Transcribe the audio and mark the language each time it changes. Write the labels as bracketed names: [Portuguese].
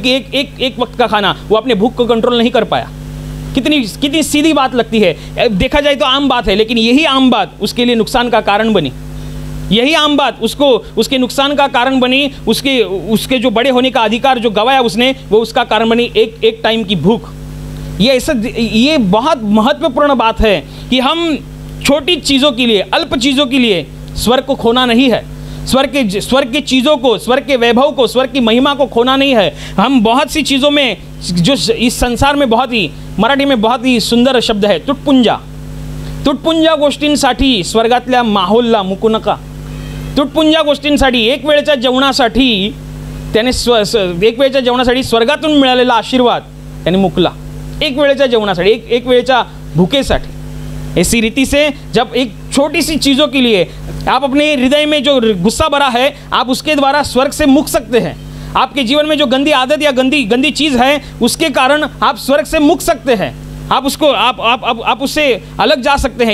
[Hindi] क्योंकि एक वक्त का खाना वो अपने भूख को कंट्रोल नहीं कर पाया। कितनी सीधी बात लगती है, देखा जाए तो आम बात है, लेकिन यही आम बात उसके लिए नुकसान का कारण बनी, यही आम बात उसको उसके नुकसान का कारण बनी, उसके उसके जो बड़े होने का अधिकार जो गवाया उसने, वो उसका कारण बनी एक टाइम की भूख। ये बहुत महत्वपूर्ण बात है कि हम छोटी चीज़ों के लिए, अल्प चीज़ों के लिए स्वर्ग को खोना नहीं है, स्वर्ग की चीज़ों को, स्वर्ग के वैभव को, स्वर्ग की महिमा को खोना नहीं है। हम बहुत सी चीज़ों में, जो इस संसार में बहुत ही, मराठी में बहुत ही सुंदर शब्द है, [Marathi] तुटपुंजा गोष्टींसाठी स्वर्गातल्या माहोलला मुकू नका, तुटपुंजा गोष्टींसाठी, एक वेळच्या जेवणासाठी त्याने एक वेळच्या जेवणासाठी स्वर्गातून मिळालेला आशीर्वाद त्याने मुकला, एक वेळच्या जेवणासाठी, एक वेळच्या भूकेसाठी। [Hindi] ऐसी रीति से जब एक छोटी सी चीज़ों के लिए आप अपने हृदय में जो गुस्सा भरा है, आप उसके द्वारा स्वर्ग से मुक सकते हैं, आपके जीवन में जो गंदी आदत या गंदी चीज़ है उसके कारण आप स्वर्ग से मुक सकते हैं, आप उससे अलग जा सकते हैं।